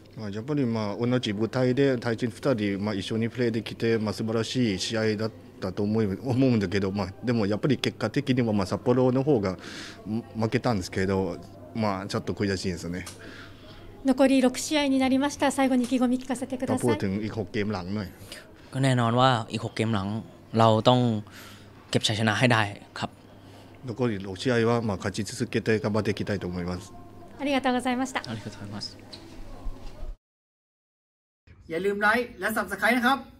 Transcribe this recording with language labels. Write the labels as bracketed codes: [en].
[ja] やっぱりまあ同じ舞台で対人2人まあ一緒にプレーできてまあ素晴らしい試合だったと思うんだけどまあでもやっぱり結果的にはまあ札幌の方が負けたんですけどまあちょっと悔しいですね残り6試合になりました最後に意気込み聞かせてください [th] พูดถึงอีก6เกมหลังหน่อย ก็แน่นอนว่าอีก6เกมหลังเราต้องเก็บชัยชนะให้ได้ครับ [ja] 残り6試合はまあ勝ち続けて頑張っていきたいと思います。ありがとうございました。ありがとうございます。 [th] อย่าลืมไลค์และ Subscribe นะครับ